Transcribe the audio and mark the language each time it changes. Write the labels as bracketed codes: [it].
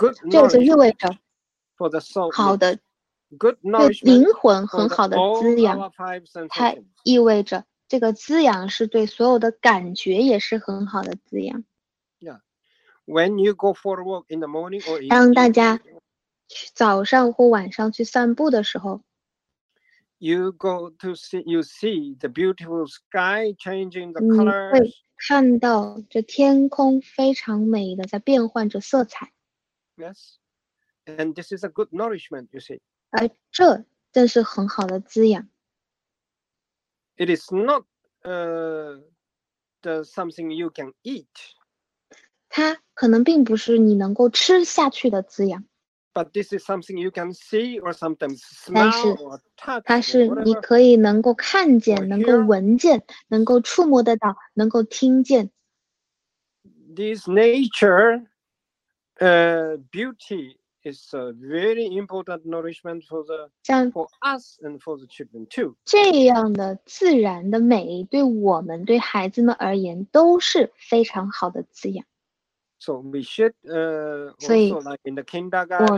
[zh] 这就意味着好的对灵魂很好的滋养，它意味着这个滋养是对所有的感觉也是很好的滋养。 [en] When you go for a walk in the morning or [zh] 当大家早上或晚上去散步的时候 [en] ，you go to see you see the beautiful sky changing the colors， [zh] 你会看到这天空非常美的在变换着色彩。 [en] Yes， and this is a good nourishment, you see. [zh] 而这正是很好的滋养。 [en] It is not the something you can eat. [zh] 它可能并不是你能够吃下去的滋养。 [en] But this is something you can see or sometimes smell or touch. [zh] 它是你可以能够看见、能够闻见、能够触摸得到、能够听见。 [en] This nature, beauty. It's a very important nourishment for the for us and for the children too. [zh] 这样的自然的美对我们对孩子们而言都是非常好的滋养。 [en] So we should also like in the kindergarten,